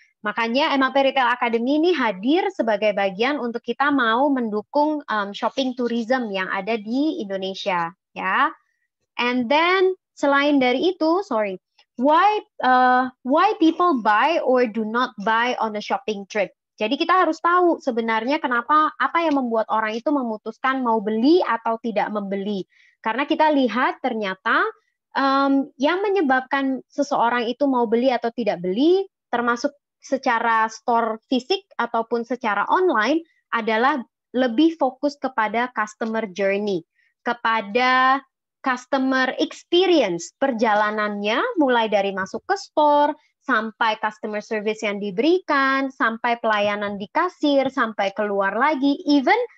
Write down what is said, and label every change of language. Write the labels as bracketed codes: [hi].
[id] Makanya MAP Retail Academy ini hadir sebagai bagian untuk kita mau mendukung shopping tourism yang ada di Indonesia. Ya. [en] And then, [id] selain dari itu, [en] why people buy or do not buy on a shopping trip? [id] Jadi kita harus tahu sebenarnya kenapa, apa yang membuat orang itu memutuskan mau beli atau tidak membeli. Karena kita lihat ternyata yang menyebabkan seseorang itu mau beli atau tidak beli, termasuk secara store fisik ataupun secara online, adalah lebih fokus kepada customer journey, kepada customer experience, perjalanannya mulai dari masuk ke store, sampai customer service yang diberikan, sampai pelayanan di kasir, sampai keluar lagi, even